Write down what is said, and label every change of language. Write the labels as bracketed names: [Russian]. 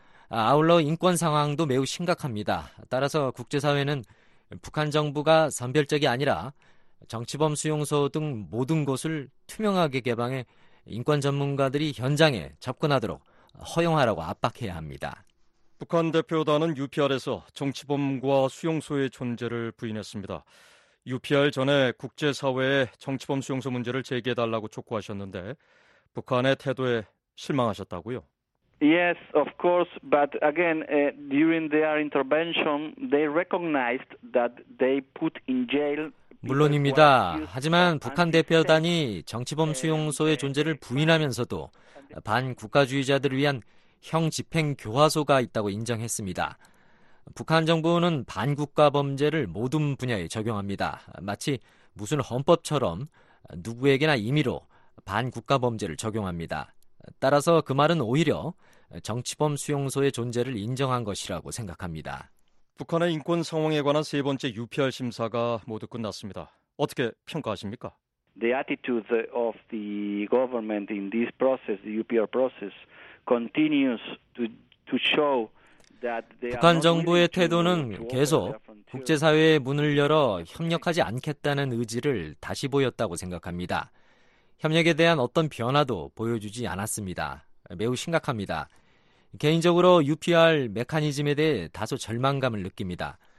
[Korean] 아울러 인권 상황도 매우 심각합니다. 따라서 국제사회는 북한 정부가 선별적이 아니라 정치범 수용소 등 모든 곳을 투명하게 개방해 인권 전문가들이 현장에 접근하도록 허용하라고 압박해야 합니다. 북한 대표단은 UPR에서 정치범과 수용소의 존재를 부인했습니다. UPR 전에 국제사회에 정치범 수용소 문제를 제기해달라고 촉구하셨는데 북한의 태도에 실망하셨다고요? [English] Yes, of course, but again, during their intervention, they recognized that they put in jail. [Korean] 물론입니다. 하지만 북한 대표단이 정치범 수용소의 존재를 부인하면서도 반국가주의자들을 위한 형 집행 교화소가 있다고 인정했습니다. 북한 정부는 반국가 범죄를 모든 분야에 적용합니다. 마치 무슨 헌법처럼 누구에게나 임의로 반국가 범죄를 적용합니다. 따라서 그 말은 오히려 정치범 수용소의 존재를 인정한 것이라고 생각합니다. 북한의 인권 상황에 관한 세 번째 UPR 심사가 모두 끝났습니다. 어떻게 평가하십니까? [English] The attitude of the government in this process, the UPR process, continues to show [Korean] 북한 정부의 태도는 계속 국제사회의 문을 열어 협력하지 않겠다는 의지를 다시 보였다고 생각합니다. 협력에 대한 어떤 변화도 보여주지 않았습니다. 매우 심각합니다. 개인적으로 UPR 메커니즘에 대해 다소 절망감을 느낍니다.